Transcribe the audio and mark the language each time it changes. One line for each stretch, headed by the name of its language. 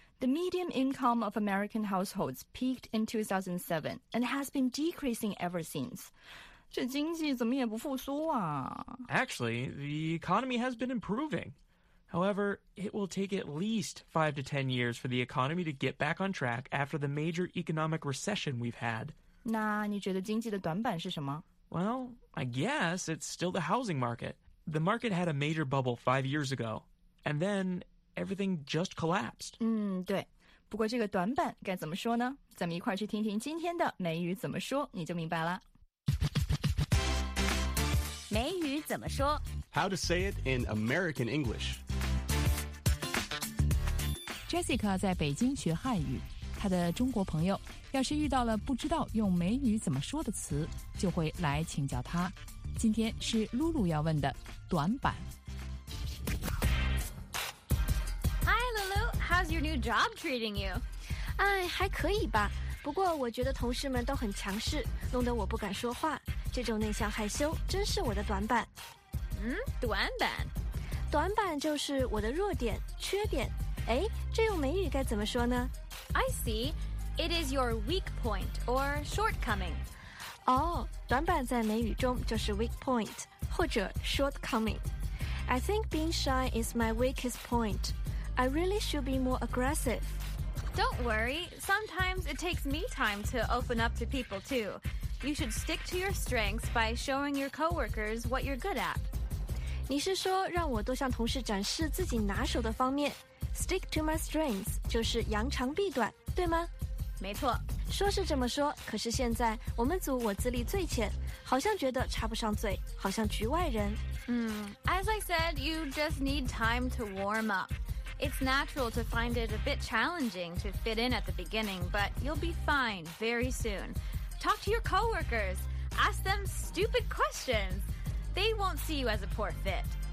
English: The median income of American households peaked in 2007 and has been decreasing ever since.
Chinese: 这经济怎么也不复苏啊
English: Actually, the economy has been improving. However, it will take at least 5 to 10 years for the economy to get back on track after the major economic recession we've had.
Chinese: 那你觉得经济的短板是什么
English: Well, I guess it's still the housing market. The market had a major bubble 5 years ago, and then everything just collapsed.
Chinese: 对。不过这个短板该怎么说呢咱们一块去听听今天的美语怎么说你就明白了。美语怎么说
English: How to say it in American English.
Chinese: Jessica 在北京学汉语，她的中国朋友要是遇到了不知道用美语怎么说的词，就会来请教她。今天是露露要问的短板。
English: Hi, Lulu. How's your new job treating you?
Chinese: 哎，还可以吧。不过我觉得同事们都很强势，弄得我不敢说话。这种内向害羞真是我的短板。短板就是我的弱点、缺点。哎，这用美语该怎么说呢
English: ？I see, it is your weak point or shortcoming.
Chinese: 哦，短板在美语中就是 weak point 或者 shortcoming.
English: I think being shy is my weakest point. I really should be more aggressive. Don't worry. Sometimes it takes me time to open up to people too. You should stick to your strengths by showing your coworkers what you're good at.
Chinese: 你是说让我多向同事展示自己拿手的方面 ？ Stick to my strengths 就是扬长避短，对吗？没错。说是这么说，可是现在我们组我资历最浅，好像觉得插不上嘴，好像局外人。
English: As I said, you just need time to warm up. It's natural to find it a bit challenging to fit in at the beginning, but you'll be fine very soon. Talk to your coworkers. Ask them stupid questions. They won't see you as a poor fit.